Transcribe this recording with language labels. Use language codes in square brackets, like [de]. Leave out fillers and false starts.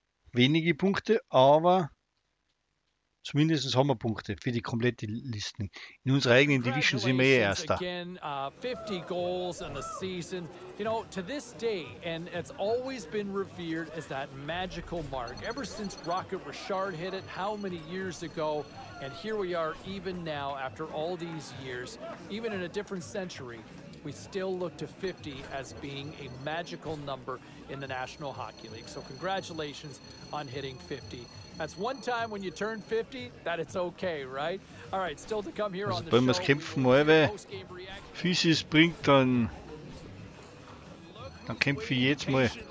[de] Wenige Punkte, aber zumindest haben wir Punkte für die komplette Liste. In unserer eigenen Division sind wir Erster. [en] Again, 50 goals in the season. You know, to this day, and it's always been revered as that magical mark. Ever since Rocket Richard hit it, how many years ago? And here we are, even now, after all these years, even in a different century, we still look to 50 as being a magical number in the National Hockey League. So congratulations on hitting 50. That's one time when you turn 50 that it's okay, right? All right, still to come here also on the show. [de] Wenn man es kämpfen möge, physisch bringt, dann kämpfe ich jetzt mal.